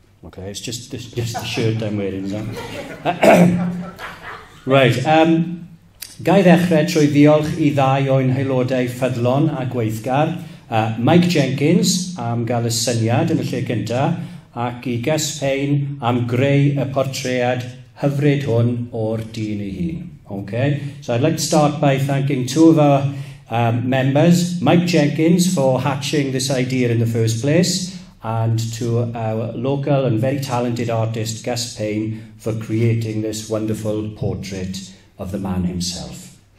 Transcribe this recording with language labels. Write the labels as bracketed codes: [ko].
[en] Okay, it's just the shirt I'm wearing. So. [cy] Right, gai ddechrau trwy ddiolch i ddau o'n haelodau ffyddlon a gweithgar, Mike Jenkins am gael y syniad yn y lle cynta, ac i Gus Payne am greu y portread hyfryd hwn o'r dyn ei hun. [en] Okay. So I'd like to start by thanking two of our members, Mike Jenkins for hatching this idea in the first place, and to our local and very talented artist, Gus Payne, for creating this wonderful portrait of the man himself.